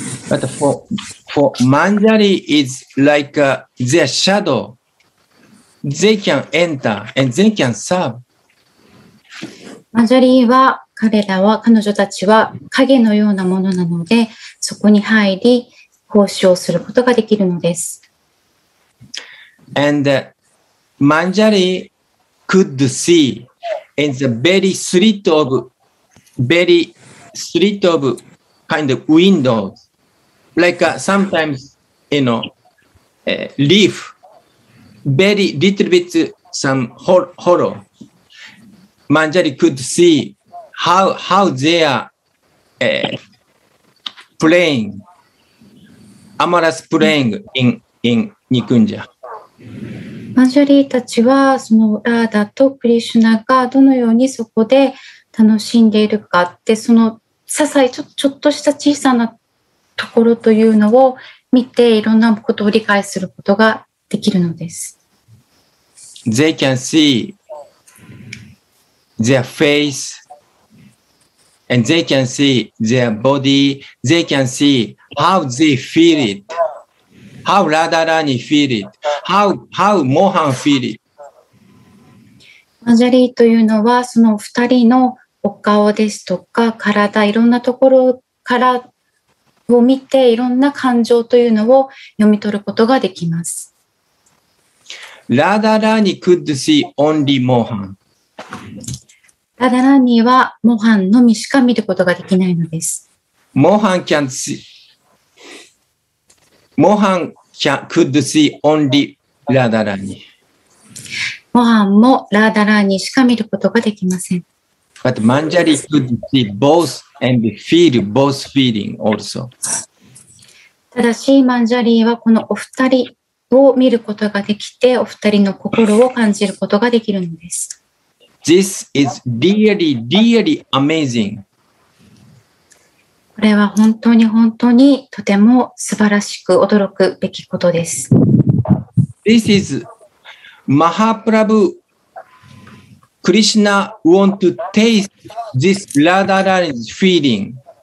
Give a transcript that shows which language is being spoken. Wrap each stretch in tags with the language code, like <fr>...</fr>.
<en>But for Manjari is like their shadow. They can enter and they can serve.</en> <ja>Manjari は彼らは彼女たちは影のようなものなのでそこに入り奉仕をすることができるのです。</ja> <en>And Manjari could see in the very slit of kind of windows, like sometimes you know, leaf, very little bit some hollow. Manjari could see how they are playing, amorous playing in Nikunja.</en> <ja>マンジャリーたちはそのラーダとクリシュナがどのようにそこで楽しんでいるかってその些細ちょっとした小さなところというのを見ていろんなことを理解することができるのです。</ja> <en>They can see their face and they can see their body. They can see how they feel it. How Radharani feel it? How Mohan feel it?</en> <ja>マジャリーというのはその2人のお顔ですとか体いろんなところからを見ていろんな感情というのを読み取ることができます。</ja> <en>Radharani could see only Mohan.</en> <ja>Radharani はモハンのみしか見ることができないのです。</ja> <en>Mohan can see. モハン could see only ラダラニ。</en> <ja>モハンもラダラニしか見ることができません。</ja> <en>But Manjari could see both and feel both feeling also.</en> <ja>ただし、マンジャリーはこのお二人を見ることができて、お二人の心を感じることができるのです。</ja> <en>This is really, really amazing.</en> <ja>これは本当に本当にとても素晴らしく驚くべきことです。</ja> <en>This is Mahaprabhu Krishna want to taste this Radharani's feeling.</en>